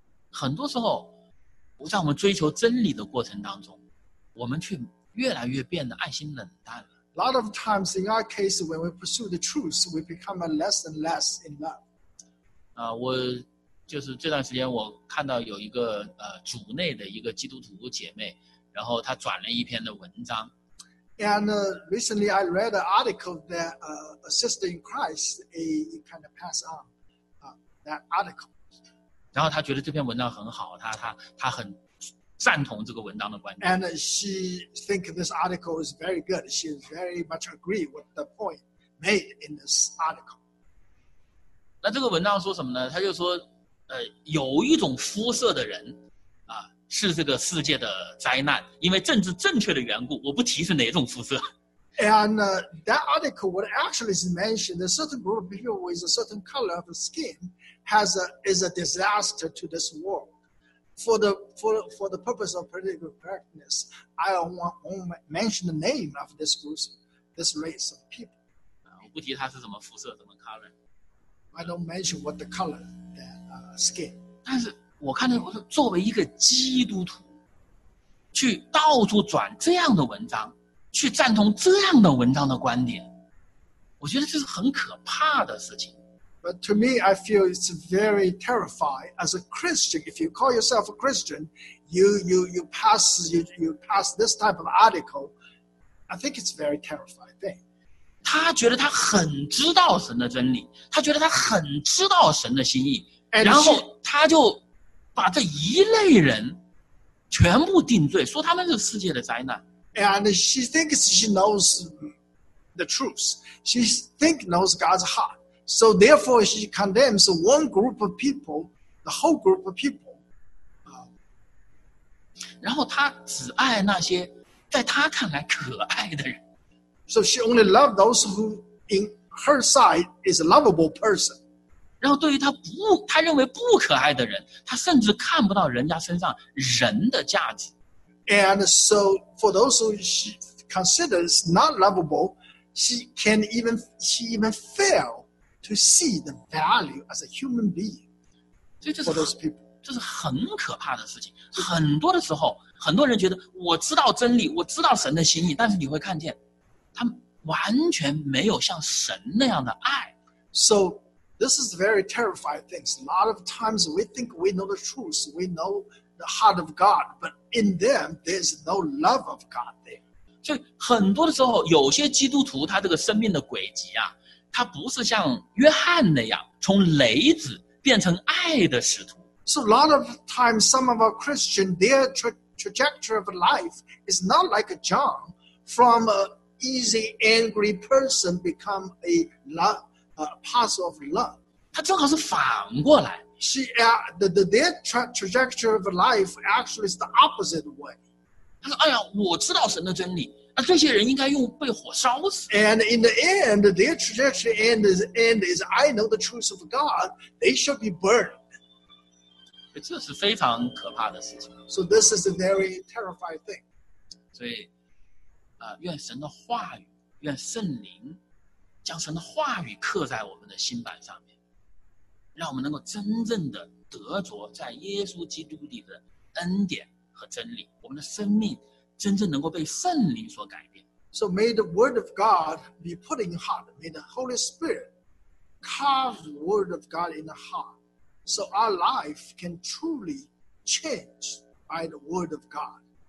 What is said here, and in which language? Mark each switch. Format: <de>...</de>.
<zh>很多时候，在我们追求真理的过程当中，我们却越来越变得爱心冷淡了。</zh> <en>A lot of times in our case, when we pursue the truth, we become less and less in love.</en> <zh>我就是这段时间我看到有一个组内的一个基督徒姐妹。然后他转了一篇的文章。</zh> <en>And recently I read an article that a sister in Christ, he kind of passed on that article.</en> <zh>然后他觉得这篇文章很好，他很赞同这个文章的观点。</zh> <en>And she think this article is very good. She very much agree with the point made in this article.</en> <zh>那这个文章说什么呢？他就说，有一种肤色的人。是这个世界的灾难，因为政治正确的缘故，我不提是哪种肤色。</zh> <en>And that article would actually mention a certain group of people with a certain color of skin is a disaster to this world. For the purpose of political correctness, I won't mention the name of this group, this race of people.</en> <zh>我不提它是什么肤色，什么 color.</zh> <en>I don't mention what the color that skin.</en> <zh>但是。我看到我说作为一个基督徒去到处转这样的文章，去赞同这样的文章的观点，我觉得这是很可怕的事情。</zh> <en>But to me, I feel it's very terrifying as a Christian. If you call yourself a Christian, you pass this type of article, I think it's a very terrifying thing.</en> <zh>他觉得他很知道神的真理，他觉得他很知道神的心意，然后他就把这一类人全部定罪，说他们是世界的灾难。</zh> <en>And she thinks she knows the truth. She thinks knows God's heart. So therefore, she condemns one group of people, the whole group of people.</en> <zh>然后她只爱那些在她看来可爱的人。</zh> <en>So she only loves those who, in her sight, is a lovable person.</en> <zh>然后对于他认为不可爱的人，他甚至看不到人家身上人的价值。</zh> <en>And so for those who she considers not lovable, she even fail to see the value as a human being. For those people,</en> <zh>这是很可怕的事情。很多的时候，很多人觉得我知道真理，我知道神的心意，但是你会看见，他完全没有像神那样的爱。</zh> <en>So. This is a very terrifying thing. A lot of times we think we know the truth, we know the heart of God, but in them, there's no love of God there.</en> <zh>所以很多的时候，有些基督徒他这个生命的轨迹啊，他不是像约翰那样从雷子变成爱的使徒。</zh> <en>So a lot of times, some of our Christians, their trajectory of life is not like John, from easy angry person become a love, a path of love.</en> <zh>他正好是反过来。</zh> <en>She, their trajectory of life actually is the opposite way.</en> <zh>他说：“哎呀，我知道神的真理。” 那这些人应该用被火烧死。</zh> <en>And in the end, their trajectory end is I know the truth of God. They should be burned.</en> <zh>这是非常可怕的事情。</zh> <en>So this is a very terrifying thing.</en> <zh>所以，愿神的话语，愿圣灵将神的话语刻在我们的心板上面，让我们能够真正的得着在耶稣基督里的恩典和真理，我们的生命。真正能够被圣灵所改变。</zh> <en>So may the word of God be put in heart. May the Holy Spirit carve the word of God in the heart. So our life can truly change by the word of God.</en>